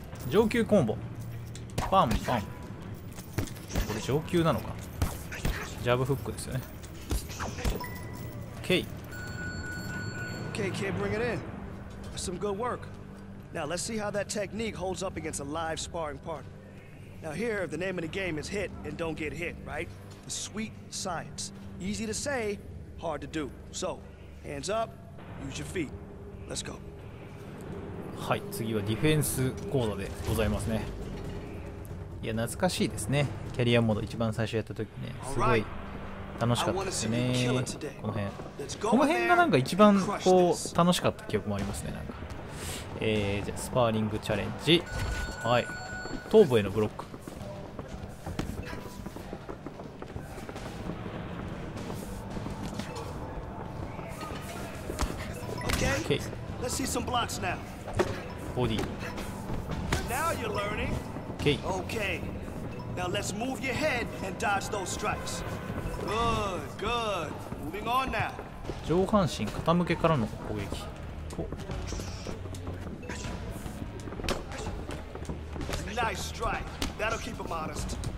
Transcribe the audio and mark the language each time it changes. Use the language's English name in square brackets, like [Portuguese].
[Japanese] 上級コンボ、パンパン、これ上級なのか、ジャブフックですよね。 [English] ケイ、ケイ、ケイ、bring it in. Some good work. Now let's see how that technique holds up against a live sparring partner. Now here, the name of the game is hit and don't get hit, right? The sweet science. Easy to say, hard to do. So, hands up, use your feet. Let's go. [Japanese] はい、次はディフェンスコードでございますね。いや、懐かしいですね。キャリアモード一番最初やった時ね、すごい楽しかったですね。この辺、この辺がなんか一番こう楽しかった記憶もありますね。なんか、じゃあスパーリングチャレンジ、はい、頭部へのブロック。 [English] Let's see some blocks now. Body. Now you're learning. Okay. Okay. Now let's move your head and dodge those strikes. Good, good. Moving on now. [Japanese] 上半身傾けからの攻撃。 [English] Nice strike. That'll keep him honest.